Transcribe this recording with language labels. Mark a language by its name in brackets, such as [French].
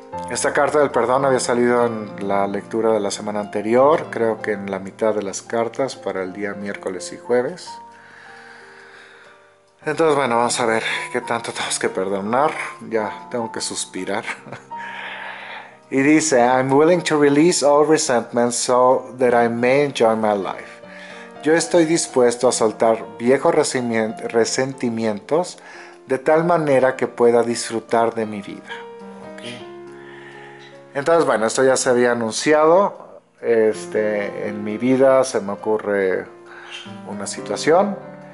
[Spanish] Esta carta del perdón había salido en la lectura de la semana anterior, creo que en la mitad de las cartas para el día miércoles y jueves. Entonces, bueno, vamos a ver qué tanto tenemos que perdonar. Ya tengo que suspirar. Y dice: [English] I'm willing to release all resentment so that I may enjoy my life. [Spanish] Yo estoy dispuesto a soltar viejos resentimientos de tal manera que pueda disfrutar de mi vida. Entonces, bueno, esto ya se había anunciado. En mi vida se me ocurre una situación.